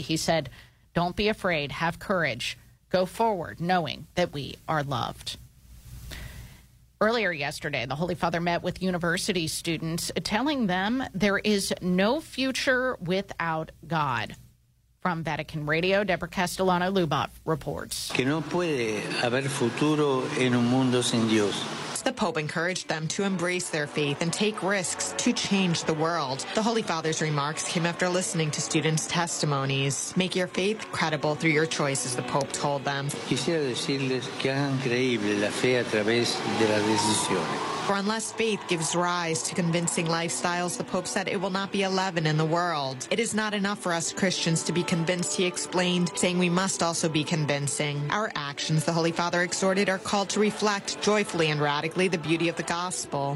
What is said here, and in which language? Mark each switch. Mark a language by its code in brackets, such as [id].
[en] He said, don't be afraid. Have courage. Go forward knowing that we are loved. Earlier yesterday, the Holy Father met with university students, telling them there is no future without God. From Vatican Radio, Deborah Castellano-Lubov reports. [es] Que no puede haber futuro en un mundo sin Dios. [en] The Pope encouraged them to embrace their faith and take risks to change the world. The Holy Father's remarks came after listening to students' testimonies. Make your faith credible through your choices, the Pope told them. [es] Quisiera decirles que hagan creíble la fe a través de la decisión. [en] For unless faith gives rise to convincing lifestyles, the Pope said, it will not be a leaven in the world. It is not enough for us Christians to be convinced, he explained, saying we must also be convincing. Our actions, the Holy Father exhorted, are called to reflect joyfully and radically the beauty of the gospel.